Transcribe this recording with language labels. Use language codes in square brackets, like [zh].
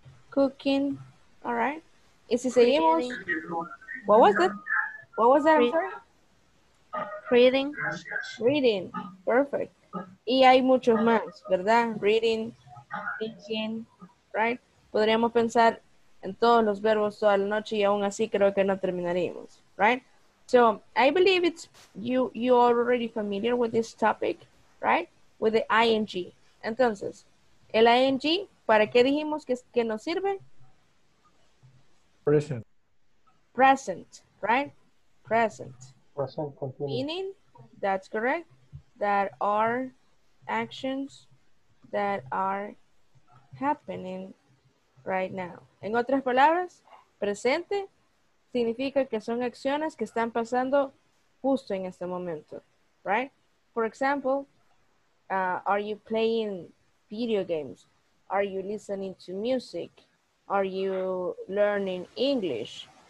[en] Cooking. All right. [es] Y si seguimos. [en] What was that? Reading. Reading. Perfect. [es] Y hay muchos más, ¿verdad? [en] Reading, teaching, right? [es] Podríamos pensar en todos los verbos toda la noche y aún así creo que no terminaríamos, right? [en] So, I believe it's you are already familiar with this topic, right? With the ing. [es] Entonces, el ing, ¿para qué dijimos que nos sirve? [en] Present. Present, right? Present. Present continuous. Meaning, that's correct. That are actions that are happening right now. [es] En otras palabras, presente significa que son acciones que están pasando justo en este momento, right? [en] For example, are you playing video games? Are you listening to music? Are you learning English?